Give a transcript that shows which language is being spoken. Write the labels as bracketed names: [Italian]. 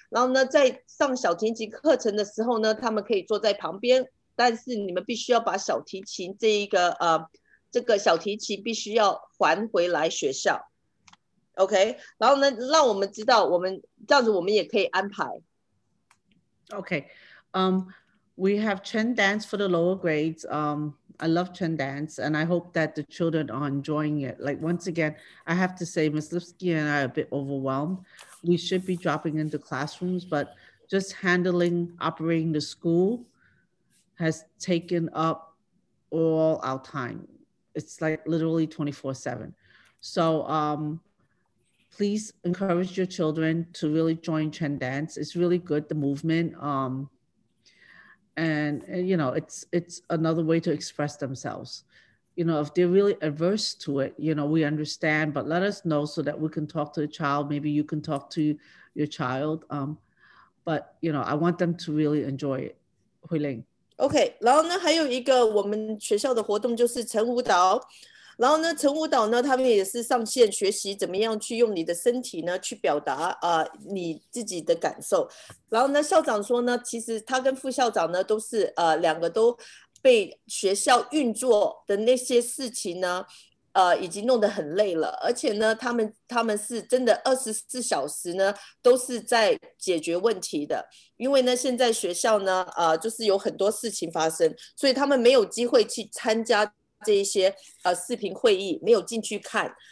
[Chinese] 然后呢在上小提琴课程的时候呢，他们可以坐在旁边，但是你们必须要把小提琴这一个这个小提琴必须要还回来学校。 OK， 然后呢让我们知道，我们这样子我们也可以安排。 [English] OK， We have Chen dance for the lower grades. I love Chen dance, and I hope that the children are enjoying it. Like, once again, I have to say, Ms. Lipsky and I are a bit overwhelmed. We should be dropping into classrooms, but just handling, operating the school has taken up all our time. It's like literally 24/7. So please encourage your children to really join Chen dance. It's really good, the movement. And you know, it's another way to express themselves. You know, if they're really averse to it, you know, we understand, but let us know so that we can talk to the child. Maybe you can talk to your child. But you know, I want them to really enjoy it. Hui Ling. Okay. [Chinese] 然后呢，还有一个我们学校的活动就是晨舞蹈。然后呢，晨舞蹈呢，他们也是上线学习怎么样去用你的身体呢去表达你自己的感受。然后呢，校长说呢，其实他跟副校长呢都是两个都被学校运作的那些事情呢，已经弄得很累了，而且呢，他们是真的24小时呢都是在解决问题的，因为呢，现在学校呢，就是有很多事情发生，所以他们没有机会去参加这一些视频会议，没有进去看。